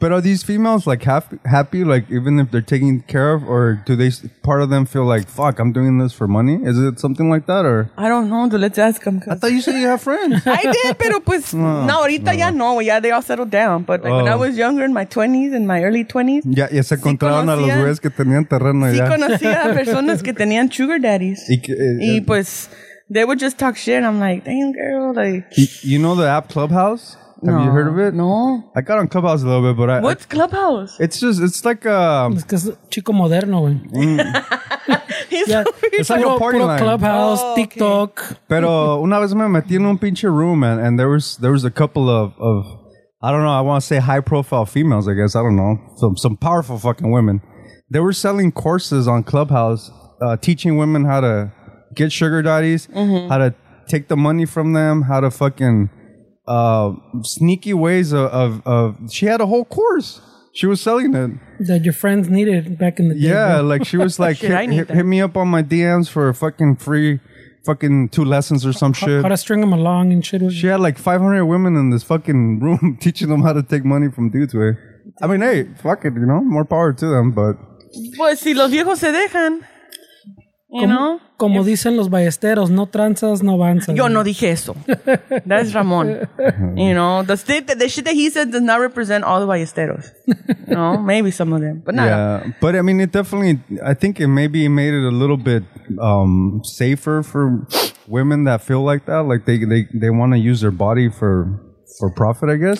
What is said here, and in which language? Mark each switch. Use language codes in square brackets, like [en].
[en] But are these females, like, happy, like, even if they're taking care of, or do they, part of them feel like, fuck, I'm doing this for money? Is it something like that, or? I don't know, dude, let's ask them. I thought you said you have friends. I did, pero pues, they all settled down, but like, when I was younger, in my 20s, in my early 20s. [es] Ya se encontraron a los güeyes que tenían terreno ya. Sí conocía a personas que tenían sugar daddies. Y pues... [en] They would just talk shit. And I'm like, damn, girl. Like, you know the app Clubhouse? Have you heard of it? No. I got on Clubhouse a little bit, but what's Clubhouse? It's like a... It's because Chico Moderno, güey. It's like a party line. Clubhouse, oh, TikTok. Okay. [es] Pero una vez me metí en un pinche [en] room, and there was a couple of I don't know, I want to say high-profile females, I guess. I don't know. Some powerful fucking women. They were selling courses on Clubhouse, teaching women how to... get sugar daddies, how to take the money from them, how to fucking sneaky ways of she had a whole course. She was selling it. That your friends needed back in the day. Yeah, bro. Like she was like, hit me up on my DMs for fucking free fucking 2 lessons or some shit. How to string them along and shit. She had like 500 women in this fucking room teaching them how to take money from dudes. Way. I mean, hey, fuck it, you know, more power to them, but. [es] Pues si los viejos se dejan. Como dicen los ballesteros, no tranzas, no avanzas. Yo no dije eso. [en] That's Ramon. You know, the shit that he said does not represent all the ballesteros. No, maybe some of them, but not. Yeah, but I mean, it made it a little bit safer for women that feel like that. Like they want to use their body for profit, I guess.